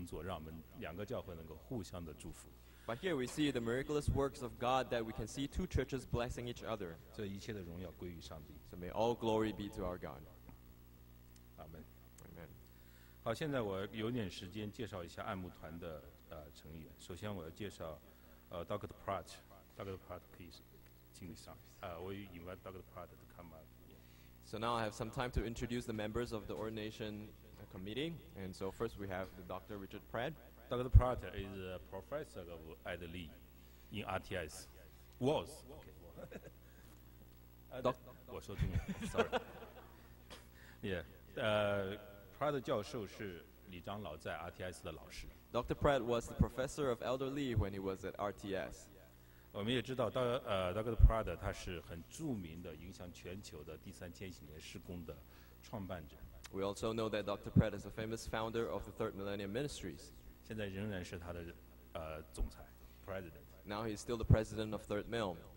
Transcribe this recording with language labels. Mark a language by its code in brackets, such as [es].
[zh] 但是在这里面，我们看到上帝他奇妙的工作，让我们两个教会能够互相的祝福。 [en] But here we see the miraculous works of God that we can see two churches blessing each other. [zh] 这一切的荣耀归于上帝。 [en] So may all glory be to our God. Amen. Amen. [zh] 好，现在我有点时间介绍一下爱慕团的成员。首先，我要介绍Dr. [en] Pratt. Dr. Pratt, please. [zh] 请你上。 [en] We invite Dr. Pratt to come up. So now I have some time to introduce the members of the ordination committee. And so first we have Dr. Richard Pratt. Dr. Pratt is a professor of Ed Lee in RTS. Was. Okay. Was. Doc. Sorry. Yeah. [zh] Pratt 教授是 李章老在 RTS 的老师。 [en] Dr. Pratt was the professor of Elder Lee when he was at RTS. [zh] 我们也知道 Dr. Pratt 他是很著名的影响全球的第三千禧年事工的创办者。 [en] We also know that Dr. Pratt is a famous founder of the Third Millennium Ministries. [zh] 现在仍然是他的 总裁 President. [en] Now he is still the president of Third Mill.